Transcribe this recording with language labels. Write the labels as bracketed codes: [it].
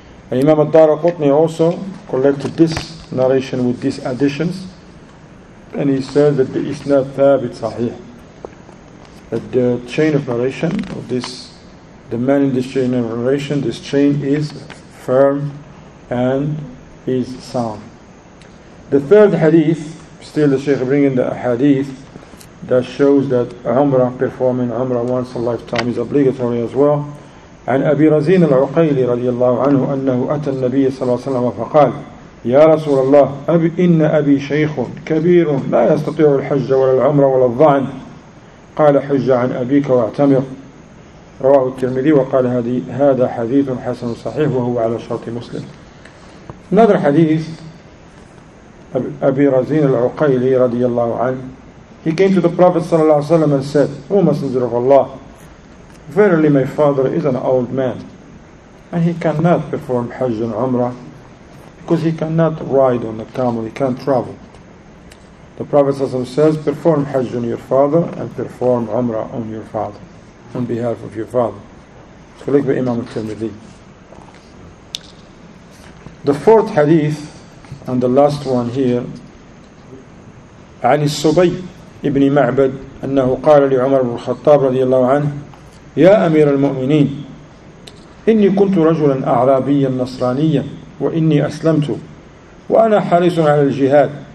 [en] And Imam al-Daraqutni also collected this narration with these additions, and he said that the isnad thabit sahih, that the chain of narration of this, the man in this chain of narration, this chain is firm and is sound. The third hadith, still the Shaykh bringing the hadith that shows that Umrah, performing Umrah once a lifetime, is obligatory as well. [ar] عن أبي رزين العقيلي رضي الله عنه أنه أتى النبي صلى الله عليه وسلم فقال يا رسول الله إن أبي شيخ كبير لا يستطيع الحج ولا العمرة ولا الظعن قال حج عن أبيك واعتمر. رواه الترمذي وقال هذا حديث حسن صحيح وهو على شرط مسلم. نظر حديث أبي رزين العقيلي رضي الله عنه. [en] He came to the Prophet [ar] صلى الله عليه وسلم [en] and said, O Messenger of Allah, verily my father is an old man and he cannot perform Hajj and Umrah because he cannot ride on a camel, he can't travel. The Prophet [ar] صلى الله عليه وسلم [en] says, perform Hajj on your father and perform Umrah on your father, on behalf of your father. So like by Imam al-Tirmidhi. The fourth hadith and the last one here, [ar] عن السبي ابن معبد أنه قال لعمر بن الخطاب رضي الله عنه يا أمير المؤمنين إني كنت رجلا أعرابيا نصرانيا وإني أسلمت وأنا حريص على الجهاد.